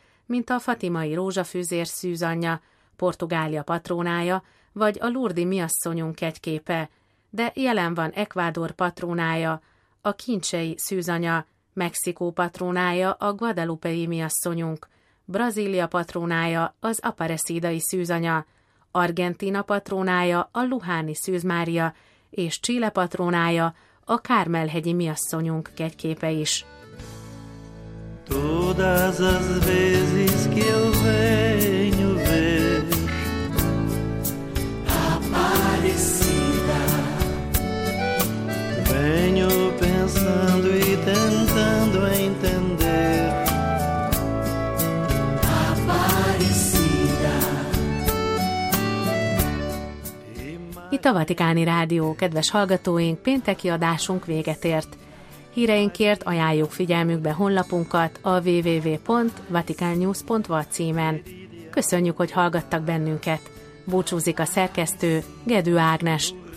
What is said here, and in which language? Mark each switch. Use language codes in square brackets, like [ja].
[hu] mint a fatimai rózsafűzér szűzanya, Portugália patrónája, vagy a lurdi miasszonyunk kegyképe, de jelen van Ecuador patrónája, a kincsei szűzanya, Mexikó patrónája a guadalupei miasszonyunk, Brazília patrónája az aparecidai szűzanya, Argentina patrónája a luháni Szűz Mária, és Chile patrónája a Kármelhegyi miasszonyunk kegyképe is. [pt] Todas as vezes que eu venho ver aparecida venho pensando e tentando entender aparecida. [hu] Itt a Vatikáni Rádió, kedves hallgatóink, pénteki adásunk véget ért. Híreinkért ajánljuk figyelmükbe honlapunkat a www.vaticannews.va címen. Köszönjük, hogy hallgattak bennünket. Búcsúzik a szerkesztő, Gedő Ágnes.